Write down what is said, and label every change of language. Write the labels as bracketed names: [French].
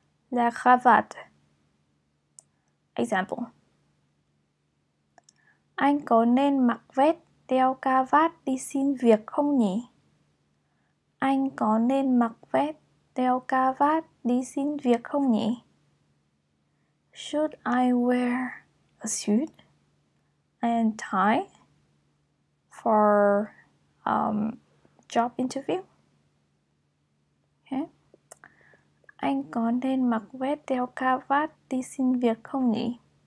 [French] La cravate. [English] Example. [Vietnamese] Anh có nên mặc vest đeo cà vạt đi xin việc không nhỉ? Anh có nên mặc vest đeo cà vạt đi xin việc không nhỉ? [English] Should I wear a suit and tie for job interview? Okay. [Vietnamese] Anh có nên mặc vest đeo cà vạt đi xin việc không nhỉ?